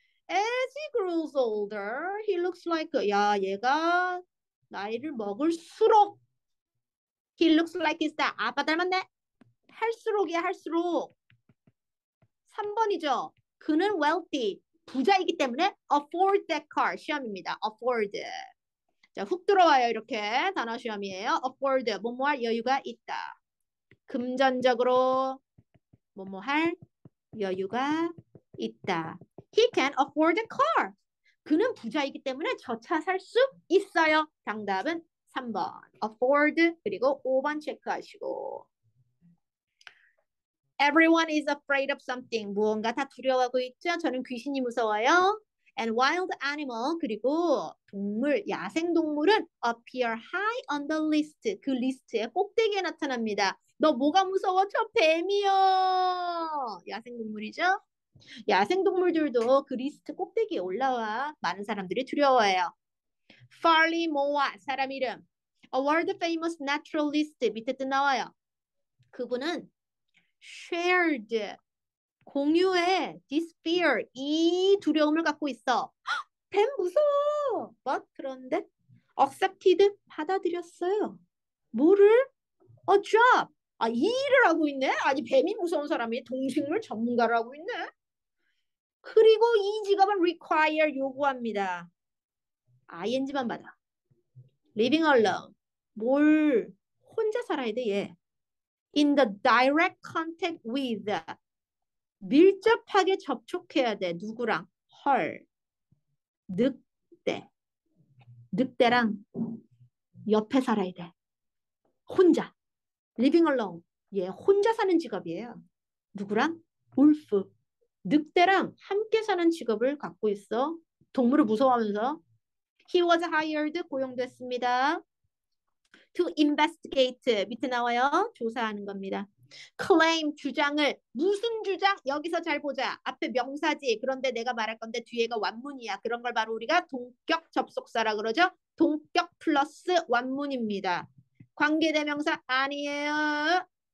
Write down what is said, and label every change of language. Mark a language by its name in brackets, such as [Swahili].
[English] As he grows older, he looks like, [Korean] 야, 얘가 나이를 먹을수록, [English] he looks like his dad. [Korean] 아빠 닮았네. 할수록이야, 할수록. 3번이죠. 그는 [English] wealthy, [Korean] 부자이기 때문에 [English] afford that car. [Korean] 시험입니다. afford. 자, 훅 들어와요. 이렇게 단어 시험이에요. afford. 뭐뭐 할 여유가 있다. 금전적으로 뭐뭐 할 여유가 있다. [English] He can afford a car. [Korean] 그는 부자이기 때문에 저차 살수 있어요. 정답은 3번. Afford 그리고 5번 체크하시고. [English] Everyone is afraid of something. [Korean] 무언가 다 두려워하고 있죠? 저는 귀신이 무서워요. [English] And wild animal [Korean] 그리고 동물, 야생 동물은 [English] appear high on the list. [Korean] 그 리스트에 꼭대기에 나타납니다. 너 뭐가 무서워? 저 뱀이요. 야생 동물이죠? 야생동물들도 그 리스트 꼭대기에 올라와 많은 사람들이 두려워해요. Farley Moa 사람 이름. [English] A world famous naturalist [Korean] 밑에 뜻 나와요. 그분은 shared 공유해 [English] this fear [Korean] 이 두려움을 갖고 있어. 헉, 뱀 무서워. But 그런데 accepted 받아들였어요. 뭐를? [English] A job. [Korean] 아, 이 일을 하고 있네. 아니 뱀이 무서운 사람이 동식물 전문가라고 있네. 그리고 이 직업은 require 요구합니다. ing만 받아. [English] living alone. [Korean] 뭘 혼자 살아야 돼, 얘. [English] in the direct contact with. [Korean] 밀접하게 접촉해야 돼, 누구랑. her. 늑대. 늑대랑 옆에 살아야 돼. 혼자. [English] living alone. [Korean] 얘 혼자 사는 직업이에요. 누구랑? wolf. 늑대랑 함께 사는 직업을 갖고 있어. 동물을 무서워하면서. [English] He was hired, [Korean] 고용됐습니다. To investigate, 밑에 나와요. 조사하는 겁니다. Claim, 주장을. 무슨 주장? 여기서 잘 보자. 앞에 명사지. 그런데 내가 말할 건데 뒤에가 완문이야. 그런 걸 바로 우리가 동격 접속사라 그러죠. 동격 플러스 완문입니다. 관계대명사 아니에요.